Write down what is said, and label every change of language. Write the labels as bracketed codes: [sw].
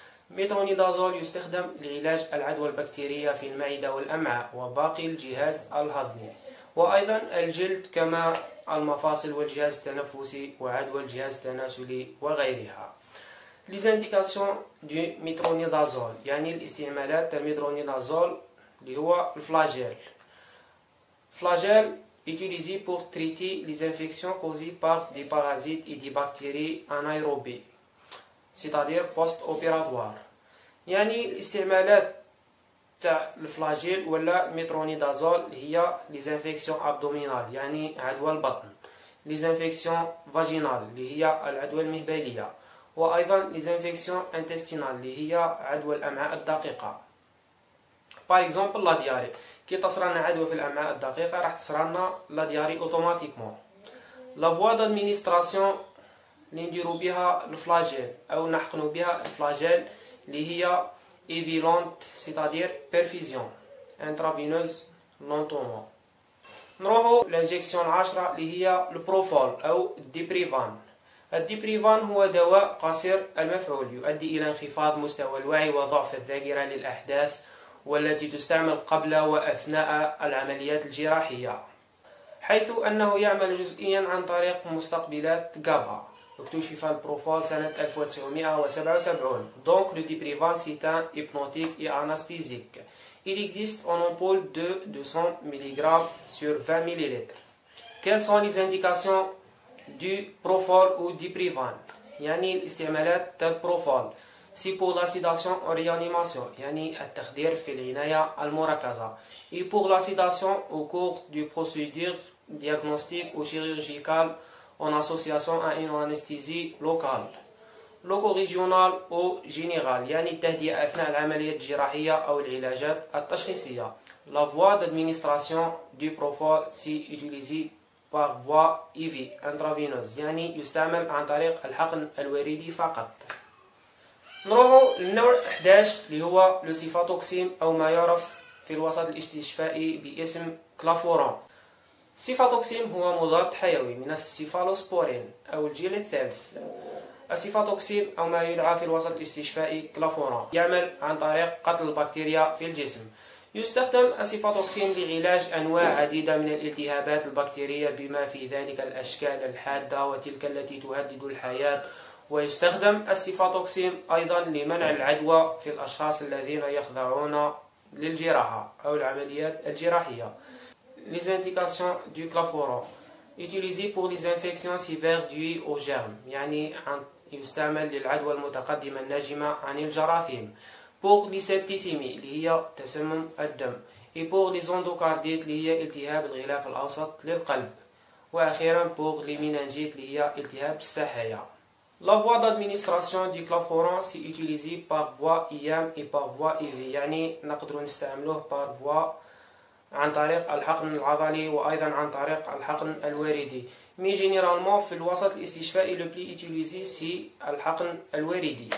[ar] مترونيدازول يستخدم لعلاج العدوى البكتيريه في المعده والامعاء وباقي الجهاز الهضمي، وايضا الجلد كما المفاصل والجهاز التنفسي وعدوى الجهاز التناسلي وغيرها. [fr] Les indications du métronidazole، [ar] يعني الاستعمالات تاع الميترونيدازول اللي هو الفلاجيل. [fr] فلاجيل utilisé pour traiter les infections causées par des parasites et des bactéries anaérobies، c'est-à-dire post-opératoire. [ar] يعني الاستعمالات تاع الفلاجيل ولا مترونيدازول هي [fr] les infections abdominales، [ar] يعني عدوى البطن، [fr] les infections vaginales [ar] اللي هي العدوى المهبلية، وأيضا [fr] les infections intestinales [ar] اللي هي عدوى الأمعاء الدقيقة. [fr] par exemple la diarrhée، [ar] كي تصرنا عدوى في الأمعاء الدقيقة راح تصرنا [fr] la diarrhée automatiquement. la voie d'administration [ar] اللي نديرو بها الفلاجيل أو نحقنو بها الفلاجيل اللي هي [fr] évilante، c'est-à-dire perfusion intraveineuse lentement. [ar] نروحو للانجكسيون العاشرة اللي هي البروفول أو الديبريفان. الديبريفان هو دواء قصير المفعول يؤدي إلى انخفاض مستوى الوعي وضعف الذاكرة للأحداث، والتي تستعمل قبل وأثناء العمليات الجراحية، حيث أنه يعمل جزئيا عن طريق مستقبلات جابا. اكتشف البروفول سنة 1977. [fr] Donc le diprivan c'est un hypnotique et anesthésique. Il existe en ampoule de 200 mg sur 20 ml. Quelles sont les indications du profol ou diprivan؟ [ar] يعني الاستعمالات تاع البروفول. [fr] C'est pour la sédation en réanimation، [ar] يعني التخدير في العناية المركزة. [fr] Et pour la sédation au cours du procédure diagnostique ou chirurgical en association à une anesthésie locale, loco-régionale ou générale، [ar] يعني التهدئة أثناء العمليات الجراحية أو العلاجات التشخيصية. [fr] La voie d'administration du profol s'est utilisée par voie IV intraveineuse، [ar] يعني يستعمل عن طريق الحقن الوريدي فقط. نروح للنوع 11 اللي هو لوسيفاتوكسيم، أو ما يعرف في الوسط الاستشفائي باسم كلافوران. سيفاتوكسيم هو مضاد حيوي من السيفالوسبورين أو الجيل الثالث. السيفاتوكسيم أو ما يدعى في الوسط الاستشفائي كلافوران يعمل عن طريق قتل البكتيريا في الجسم. يستخدم السيفاتوكسيم لعلاج أنواع عديدة من الالتهابات البكتيرية، بما في ذلك الأشكال الحادة وتلك التي تهدد الحياة. ويستخدم السيفاتوكسيم أيضا لمنع العدوى في الأشخاص الذين يخضعون للجراحة أو العمليات الجراحية. [fr] Les indications du clafouran utilisé pour les infections sévères dues aux germes، [ar] يعني يستعمل للعدوى المتقدمة الناجمة عن الجراثيم. [fr] Pour les septicémies [ar] اللي هي تسمم الدم، [fr] et pour les endocardites [ar] اللي هي التهاب الغلاف الأوسط للقلب، وأخيرا [fr] pour les méningites [ar] اللي هي التهاب السحايا. [fr] La voie d'administration du clafouran s'est utilisée par voie IM et par voie IV، [ar] يعني نقدر نستعمله [fr] par voie [ar] عن طريق الحقن العضلي وايضا عن طريق الحقن الوريدي. [fr] مي جينيرالمون [ar] في الوسط الاستشفائي [fr] لو بلي ايتيليزي سي [ar] الحقن الوريدي.